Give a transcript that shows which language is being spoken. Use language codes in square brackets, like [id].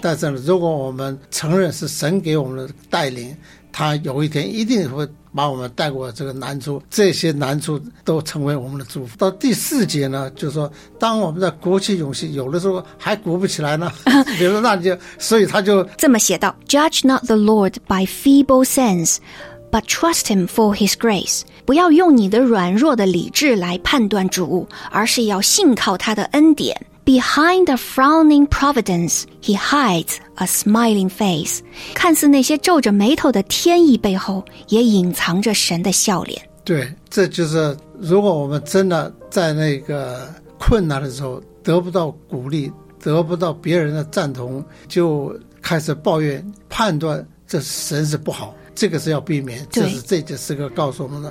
[zh] 但是如果我们承认是神给我们的带领，他有一天一定会把我们带过这个难处，这些难处都成为我们的祝福。到第四节呢，就是说当我们在鼓起勇气，有的时候还鼓不起来呢，比如说那就所以他就这么写道， [en] Judge not the Lord by feeble sense, but trust him for his grace. [zh] 不要用你的软弱的理智来判断主，而是要信靠他的恩典， [en] Behind a frowning providence, he hides a smiling face. [zh] 看似那些皱着眉头的天意背后，也隐藏着神的笑脸。对，这就是如果我们真的在那个困难的时候得不到鼓励，得不到别人的赞同，就开始抱怨，判断这神是不好，这个是要避免，这是这就是个告诉我们的。